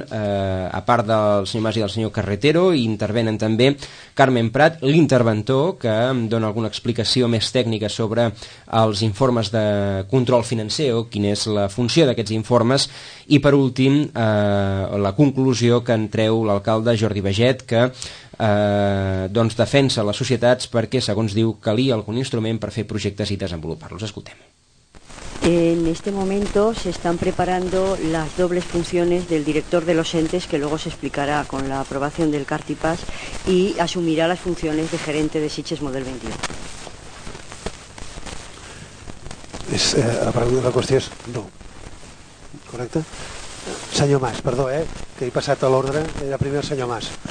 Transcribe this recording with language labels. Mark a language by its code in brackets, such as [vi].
[ca] a part del senyor Mas i del senyor Carretero, intervenen també Carmen Prat, l'interventor, que dona alguna explicació més tècnica sobre els informes de control financer o quina és la funció d'aquests informes, i per últim, la conclusió que en treu l'alcalde Jordi Baiget, que doncs defensa les societats perquè, segons diu, calia algun instrument per fer projectes i desenvolupar-los. Escoltem. [es] En este momento se están preparando las dobles funciones del director de los entes, que luego se explicará con la aprobación del CARTIPAS, y asumirá las funciones de gerente de Sitges Model 21. ¿Es aparte de la cuestión? No. ¿Correcto? [ca] Senyor Mas, perdó, que he passat a l'ordre, era primer el senyor Mas.